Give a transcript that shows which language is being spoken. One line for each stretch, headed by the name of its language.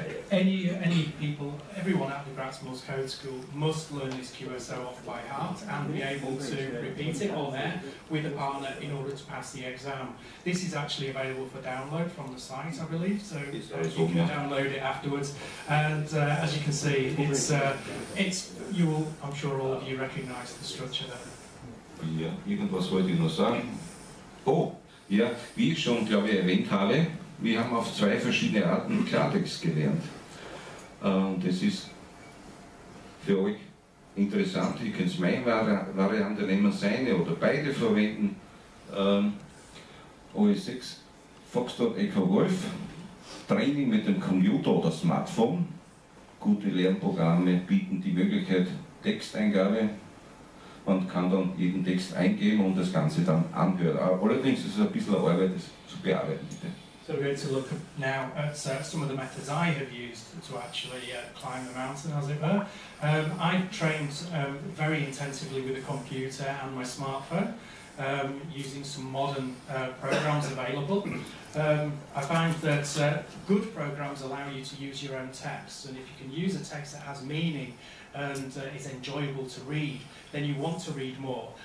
English: Any people, everyone at the Graz-Moss Code School must learn this QSO off by heart and be able to repeat it on air with a partner in order to pass the exam. This is actually available for download from the site, I believe, so you can download it afterwards. And as you can see, I'm sure all of you recognize the structure there.
German: Yeah, irgendwas wollte ich noch sagen. Oh, ja, wie ich schon, glaube ich, erwähnt habe, wir haben auf zwei verschiedene Arten Klartext gelernt. Und das ist für euch interessant. Ihr könnt meine Variante nehmen, seine oder beide verwenden. OS6, Foxtrot Echo Wolf, Training mit dem Computer oder Smartphone. Gute Lernprogramme bieten die Möglichkeit Texteingabe. Man kann dann jeden Text eingeben und das Ganze dann anhören. Allerdings ist es ein bisschen Arbeit, das zu bearbeiten, bitte.
English: So we're going to look now at some of the methods I have used to actually climb the mountain, as it were. I've trained very intensively with a computer and my smartphone, using some modern programs available. I find that good programs allow you to use your own text, and if you can use a text that has meaning and is enjoyable to read, then you want to read more.